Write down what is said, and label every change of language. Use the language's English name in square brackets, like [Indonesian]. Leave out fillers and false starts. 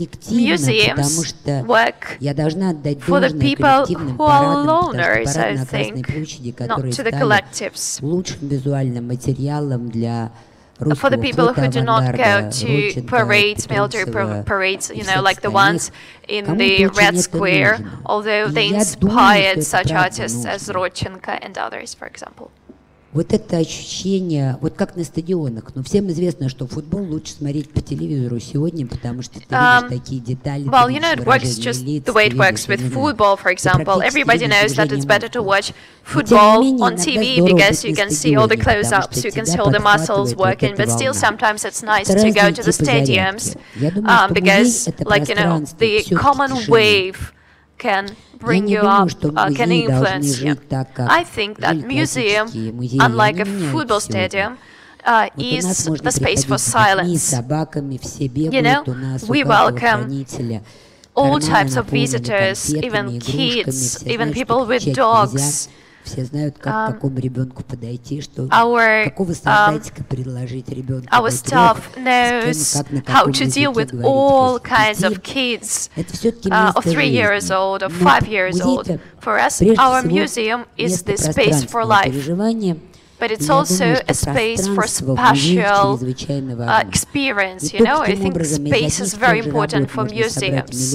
[English] Museums work for the people who are loners, I think, not to the collectives. For the people who do not go to parades, military parades, you know, like the ones in the Red Square, although they inspired such artists as Rodchenko and others, for example. [Russian] вот это ощущение, вот как на стадионах, но всем известно, что футбол лучше смотреть по телевизору сегодня, потому что ты видишь такие детали, ты видишь выражение лиц, ты видишь, что не нравится. [English] The way it works with football, for example, everybody knows that it's better to watch football on TV, because you can see all the close-ups, you can see all the muscles working, but still sometimes it's nice to go to the stadiums, because, like, you know, the common wave can bring you up, can influence you. I think that museum, unlike a football stadium, is the space for silence. You know, we welcome all types of visitors, even kids, even people with dogs. [Russian] Все знают, как к какому ребенку подойти, что какого создатика предложить ребенку. [English] Our staff knows how to deal with all kinds of kids, of 3 years old, of 5 years old. For us, our museum is the space for life. But it's also a space for spatial experience, you know. I think space is very important for museums.